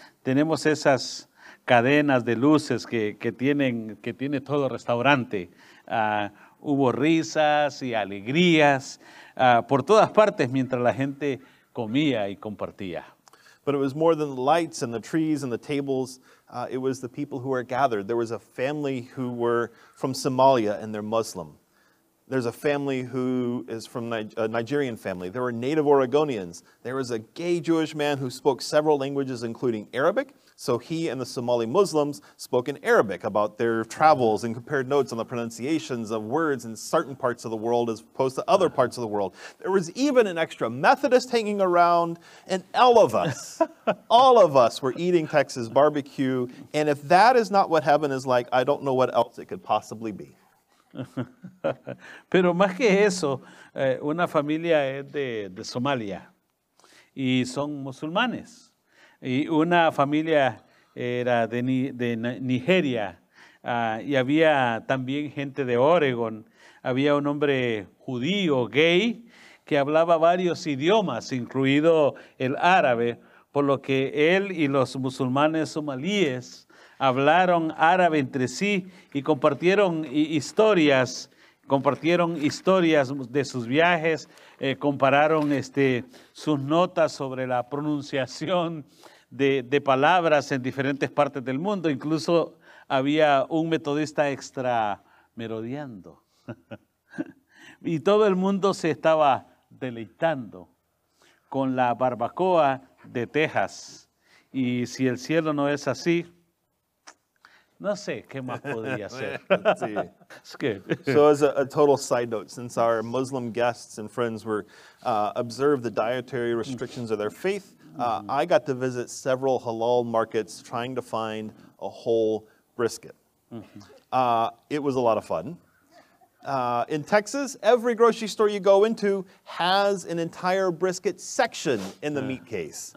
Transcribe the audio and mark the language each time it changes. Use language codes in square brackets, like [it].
[es] Tenemos esas cadenas de luces que tiene todo restaurante. Hubo risas y alegrías por todas partes mientras la gente comía y compartía. [en] But it was more than the lights and the trees and the tables. It was the people who were gathered. There was a family who were from Somalia and they're Muslim. There's a family who is from a Nigerian family. There were native Oregonians. There was a gay Jewish man who spoke several languages, including Arabic. So he and the Somali Muslims spoke in Arabic about their travels and compared notes on the pronunciations of words in certain parts of the world as opposed to other parts of the world. There was even an extra Methodist hanging around, and all of us were eating Texas barbecue. And if that is not what heaven is like, I don't know what else it could possibly be. [es] Pero más que eso, una familia es de Somalia y son musulmanes. Y una familia era de Nigeria y había también gente de Oregon. Había un hombre judío, gay, que hablaba varios idiomas, incluido el árabe, por lo que él y los musulmanes somalíes hablaron árabe entre sí y compartieron historias de sus viajes, compararon sus notas sobre la pronunciación de palabras en diferentes partes del mundo. Incluso había un metodista extra merodeando. Y todo el mundo se estaba deleitando con la barbacoa de Texas. Y si el cielo no es así, no sé qué más podría hacer. [en] It's good. So as a total side note, since our Muslim guests and friends were observed the dietary restrictions of their faith, I got to visit several halal markets trying to find a whole brisket. It was a lot of fun. In Texas, every grocery store you go into has an entire brisket section in the meat case.